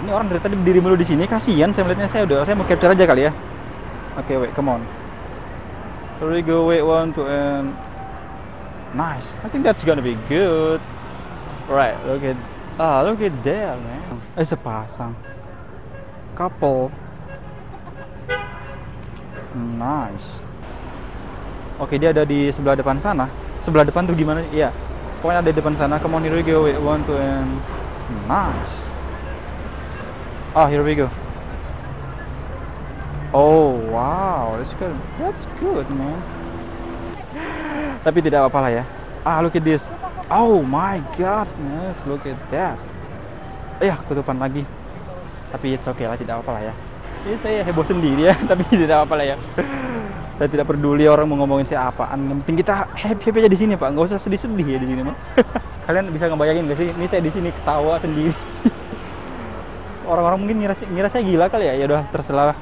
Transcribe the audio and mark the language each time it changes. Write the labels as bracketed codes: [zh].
[id] Ini orang dari tadi berdiri mulu di sini. Kasian, saya melihatnya. Saya mau capture aja kali ya. [en] Okay, wait, come on. Here we go, wait, one, two, and... nice. I think that's gonna be good. Right, look at... ah, look at that, man. Eh, [id] sepasang. [en] Couple. [id] Nice. Okay, dia ada di sebelah depan sana. Sebelah depan tuh gimana? Iya. [en] Yeah. [id] Pokoknya ada di depan sana. [en] Come on, here we go. Wait, one, two, and... nice. Ah, here we go. Oh, wow. That's good. That's good, man. [id] Tapi tidak apa-apa ya. [en] Ah, look at this. Oh my goodness, look at that. [id] Ya, ketutupan lagi. Tapi [en] it's okay [id] lah, tidak apa-apa lah ya. Ini saya heboh sendiri ya, tapi tidak apa-apa lah ya. Saya tidak peduli orang mau ngomongin saya apaan. Yang penting kita happy-happy aja di sini, Pak. Nggak usah sedih-sedih ya di sini, Pak. Kalian bisa ngebayangin nggak sih? Ini saya di sini ketawa sendiri. Orang-orang mungkin ngira saya gila kali ya. Ya udah, terserah lah.